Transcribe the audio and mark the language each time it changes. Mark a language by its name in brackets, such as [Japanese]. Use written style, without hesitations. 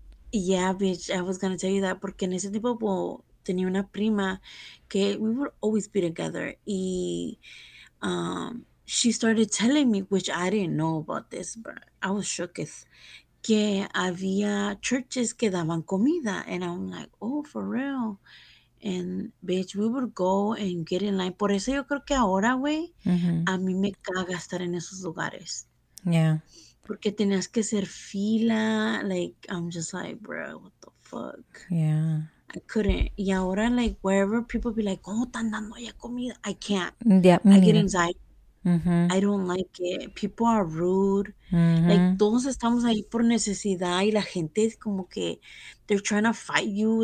[English] Yeah, bitch, I was going to tell you that, [Spanish] porque en ese tiempo, [English] well, [Spanish] tenía una prima que [English] we would always be together, y she started telling me, which I didn't know about this, but I was shooketh. [Spanish] Que había churches que daban comida. [English] And I'm like, oh, for real. And, bitch, we would go and get in line. [Spanish] Por eso yo creo que ahora, güey, a mí me caga estar en esos lugares. Porque tenías que hacer fila. [English] Like, I'm just like, bro, what the fuck? I couldn't. [Spanish] Y ahora, [English] like, wherever people be like, oh, [Spanish] están dando ya comida. [English] I can't. I get anxiety. I don't like it. People are rude. Like, [Spanish] todos estamos ahí por necesidad y la gente es como que [English] they're trying to fight you.